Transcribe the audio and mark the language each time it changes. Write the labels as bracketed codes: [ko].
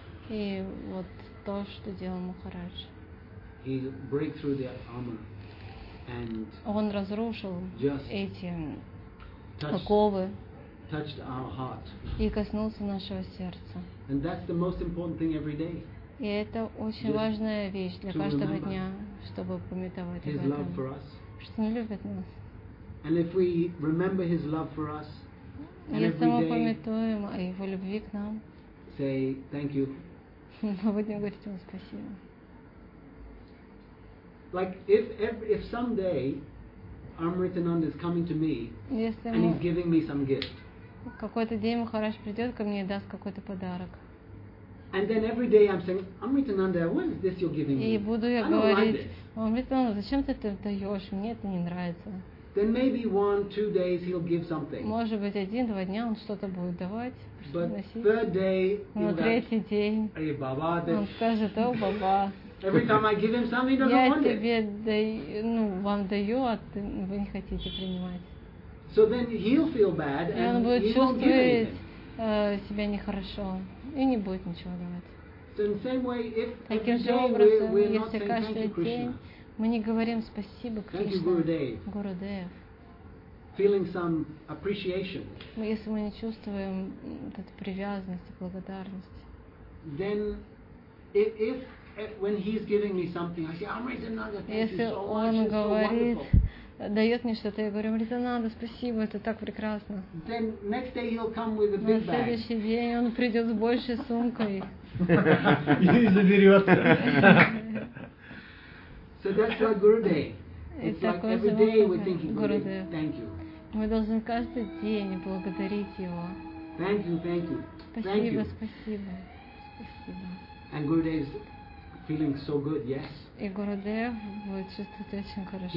[ru] И вот то, что делал Махарадж. [en] He break through that armor and [ru] он разрушил эти оковы. [en] Touched our heart. [ru] И коснулся нашего сердца. [en] And that's the most important thing every day. [ru] И это очень just важная вещь для каждого дня, чтобы помнить об этом. Что не любит нас. [en] And if we remember his love for us, and [ru] если [en] every [ru] мы [en] day, [ru] памятуем о его любви к нам, [en] say thank you. [ru] Мы будем говорить ему спасибо. [en] Like if someday Amritananda is coming to me and he's giving me some gift. [ru] Какой-то день Махарадж придет ко мне и даст какой-то подарок. [en] And then every day I'm saying, Amritananda, what is this you're giving me? [ru] И буду я говорить, Амритананда, зачем ты это даешь? Мне это не нравится. [en] Then maybe 1-2 days he'll give something. [ru] Может быть, 1-2 дня он что-то будет давать. [en] But third day, [ru] на третий день, [en] hey, Baba, [ru] он скажет: «О, Баба, [en] every time I give him something, he doesn't want it. [ru] Я тебе вам даю, а вы не хотите принимать». [en] So then he'll feel bad and he won't give anything. [ru] И он будет чувствовать себя нехорошо и не будет ничего давать. Таким же образом, если каждый день мы не говорим спасибо Кришне, Гурудев, [en] feeling some appreciation, [ru] если мы не чувствуем эту привязанность и благодарность, [en] then if when he's giving me something, I say, Amritananda, thank you so much, it's so wonderful. [ru] Дает мне что-то, я говорю, Амритананда, спасибо, это так прекрасно. На следующий день он придет с большей сумкой. И заберет. [en] So that's our Guru Day. It's like every day we're thinking Guru Day. Thank you. [ru] Мы должны каждый день благодарить его. [en] Thank you, thank you. [ru] Спасибо, спасибо. [en] And Guru Day is feeling so good, yes. [ru] И Гурудев будет чувствовать очень хорошо,